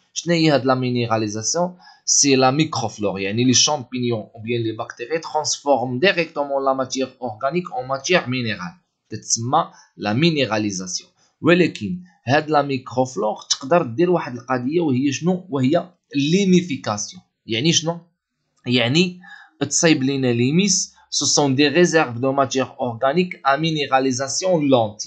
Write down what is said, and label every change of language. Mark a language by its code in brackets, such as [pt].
[ar] شنايا هاد لا مينيراليزاسيون؟ [fr] C'est la microflore, yani les champignons ou bien les bactéries transforment directement la matière organique en matière minérale. C'est la minéralisation. Mais, cette la microflore, tu peux faire une chose qui est la limification. [ar] Yani شنو يعني تصيب لينا ليميس. [fr] Ce sont des réserves de matière organique à minéralisation lente.